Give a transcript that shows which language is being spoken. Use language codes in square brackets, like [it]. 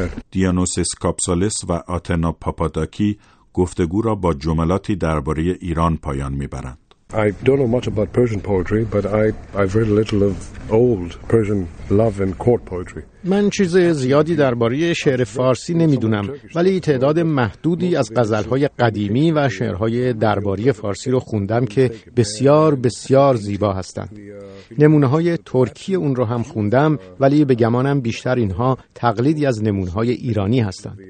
[fa] دیانوسیس کاپسالیس و آتنا پاپاداکی گفتگو را با جملاتی درباره ایران پایان می‌برند. [en] I don't know much about Persian poetry, but I've read a little of old Persian love and court poetry. [fa] من چیز زیادی درباره شعر فارسی نمیدونم، ولی تعداد محدودی از غزلهای قدیمی و شعرهای درباری فارسی رو خوندم که بسیار بسیار زیبا هستند. نمونه های ترکی اون رو هم خوندم، ولی به گمانم بیشتر اینها تقلیدی از نمونه های ایرانی هستند.